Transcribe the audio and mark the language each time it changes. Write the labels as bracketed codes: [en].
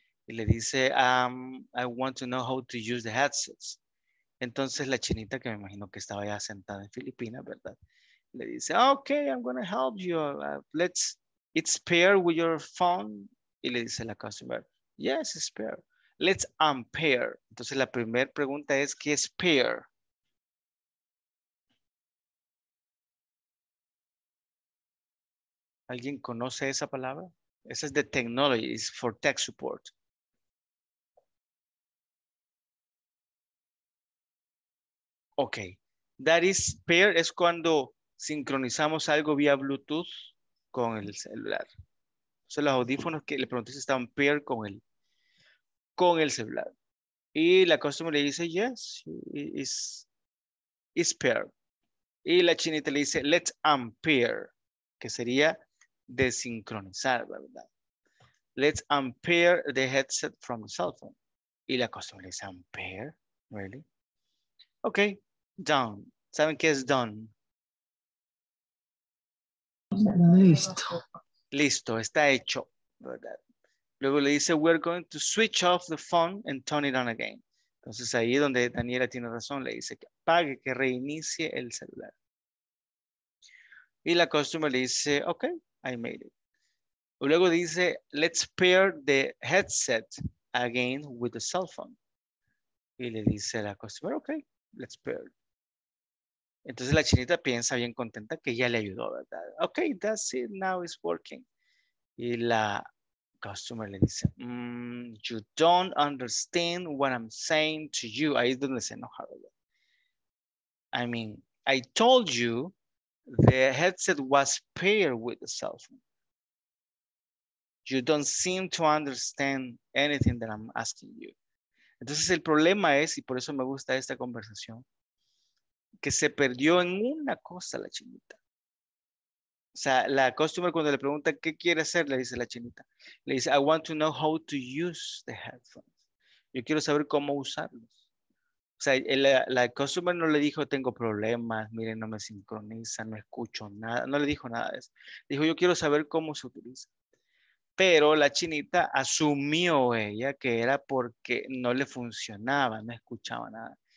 [es] Y le dice, [en] I want to know how to use the headsets. [es] Entonces la chinita, que me imagino que estaba ya sentada en Filipinas, ¿verdad? Le dice, [en] okay, I'm going to help you. It's paired with your phone. [es] Y le dice la customer, [en] yes, it's paired. Let's unpair. [es] Entonces la primera pregunta es, ¿qué es pair? ¿Alguien conoce esa palabra? Esa es de technology, it's for tech support. Ok, that is pair, es cuando sincronizamos algo vía Bluetooth con el celular. O sea, los audífonos que le pregunté si estaban pair con el celular. Y la customer le dice, [en] yes, it's pair. [es] Y la chinita le dice, [en] let's unpair, [es] que sería desincronizar, ¿verdad? [en] Let's unpair the headset from the cell phone. [es] Y la customer le dice, [en] unpair, really? Ok. Done. [es] ¿Saben qué es done? Listo. Listo, está hecho, ¿verdad? Luego le dice, [en] we're going to switch off the phone and turn it on again. [es] Entonces ahí donde Daniela tiene razón, le dice que apague, que reinicie el celular. [en] Y la customer le dice, ok, I made it. [es] Luego dice, [en] let's pair the headset again with the cell phone. Y le dice la customer, ok, let's pair. [es] Entonces la chinita piensa bien contenta que ya le ayudó, ¿verdad? [en] Ok, that's it, now it's working. [es] Y la customer le dice, you don't understand what I'm saying to you. Ahí es donde se enoja, ¿verdad? [en] I mean, I told you the headset was paired with the cell phone. You don't seem to understand anything that I'm asking you. [es] Entonces el problema es, y por eso me gusta esta conversación, que se perdió en una cosa la chinita. O sea, la customer cuando le pregunta qué quiere hacer, le dice la chinita. Le dice, [en] I want to know how to use the headphones. [es] Yo quiero saber cómo usarlos. O sea, la customer no le dijo, tengo problemas, miren, no me sincroniza, no escucho nada. No le dijo nada de eso. Dijo, yo quiero saber cómo se utiliza. Pero la chinita asumió ella que era porque no le funcionaba, no escuchaba nada.